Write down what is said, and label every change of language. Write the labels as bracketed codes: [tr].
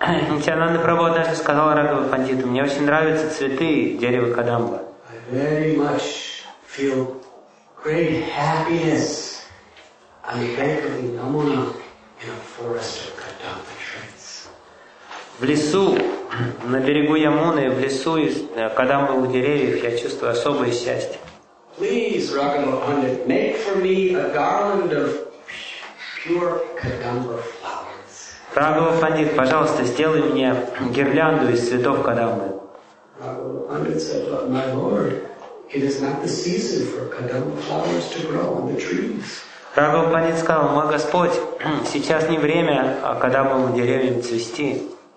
[ru] Нитянанда Прабху однажды сказал Рагава Пандиту: «Мне очень нравятся цветы дерева Кадамба». [en] Very much feel great happiness on the bank of the Yamuna in a forest of Kadamba trees. [ru] В лесу, на берегу Ямуны, в лесу из кадамбовых деревьев я чувствую особое счастье. [en] Please, Raghava Pandit, make for me a garland of pure Kadamba flowers. [ru] Raghava Pandit, пожалуйста, сделай мне гирлянду из цветов Кадамбы. [en] My lord, it is not the season for kadamba flowers to grow on the trees. [ru] Прабху Пандит сказал: «Мой Господь, сейчас не время, а кадамбовым деревьям цвести».